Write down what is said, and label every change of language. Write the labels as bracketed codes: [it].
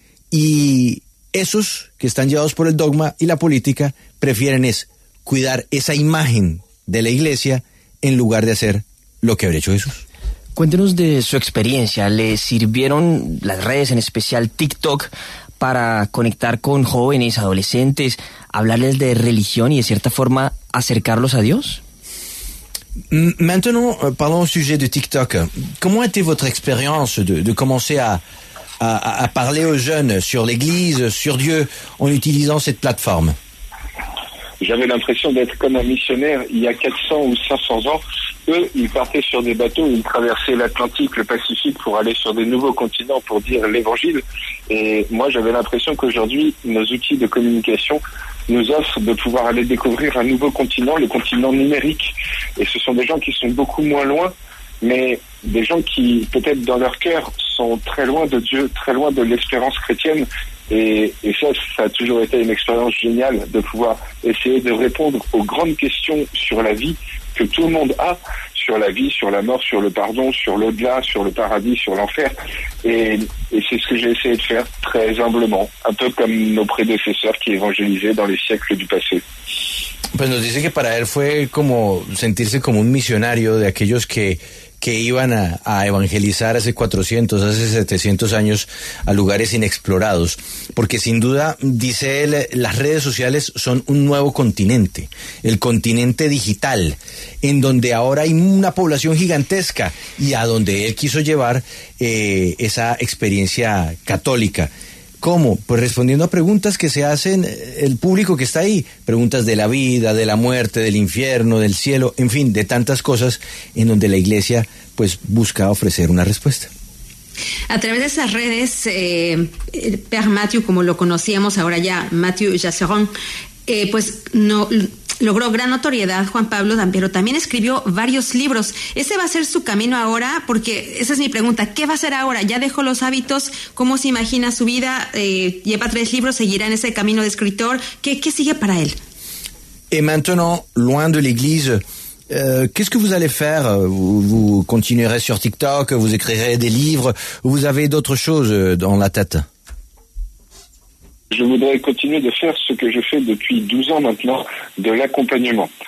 [es] Y esos que están llevados por el dogma y la política prefieren es cuidar esa imagen de la iglesia en lugar de hacer lo que habría hecho Jesús. Cuéntenos de su experiencia. ¿Le sirvieron las redes, en especial TikTok, para conectar con jóvenes, adolescentes, hablarles de religión y de cierta forma acercarlos a Dios? [fr] Maintenant, parlons au sujet de TikTok. Comment a été votre expérience de commencer à parler aux jeunes sur l'Église, sur Dieu, en utilisant cette plateforme? J'avais l'impression d'être comme un missionnaire il y a 400 ou 500 ans. Eux, ils partaient sur des bateaux, ils traversaient l'Atlantique, le Pacifique, pour aller sur des nouveaux continents pour dire l'Évangile. Et moi, j'avais l'impression qu'aujourd'hui, nos outils de communication nous offrent de pouvoir aller découvrir un nouveau continent, le continent numérique. Et ce sont des gens qui sont beaucoup moins loin, mais des gens qui, peut-être dans leur cœur, sont très loin de Dieu, très loin de l'espérance chrétienne. Et ça a toujours été une expérience géniale de pouvoir essayer de répondre aux grandes questions sur la vie que tout le monde a, sur la vie, sur la mort, sur le pardon, sur l'au-delà, sur le paradis, sur l'enfer. Et c'est ce que j'ai essayé de faire très humblement, un peu comme nos prédécesseurs qui évangélisaient dans les siècles du passé. [es] Pues nos dice que para él fue como sentirse como un misionario de aquellos que iban a evangelizar hace 400, hace 700 años a lugares inexplorados. Porque sin duda, dice él, las redes sociales son un nuevo continente, el continente digital, en donde ahora hay una población gigantesca y a donde él quiso llevar esa experiencia católica. ¿Cómo? Pues respondiendo a preguntas que se hacen el público que está ahí. Preguntas de la vida, de la muerte, del infierno, del cielo, en fin, de tantas cosas en donde la iglesia pues busca ofrecer una respuesta. A través de esas redes, el Père Mathieu, como lo conocíamos ahora ya, Mathieu Jasseron, pues no logró gran notoriedad, Juan Pablo, pero también escribió varios libros. ¿Ese va a ser su camino ahora? Porque esa es mi pregunta, ¿qué va a hacer ahora? ¿Ya dejó los hábitos? ¿Cómo se imagina su vida? ¿Lleva tres libros? ¿Seguirá en ese camino de escritor? ¿Qué sigue para él? [fr] Y maintenant, loin de l'église, qu'est-ce que vous allez faire? ¿Vous continuerez sur TikTok? ¿Vous écrirez des livres? ¿Vous avez d'autres choses dans la tête? Je voudrais continuer de faire ce que je fais depuis 12 ans maintenant, de l'accompagnement.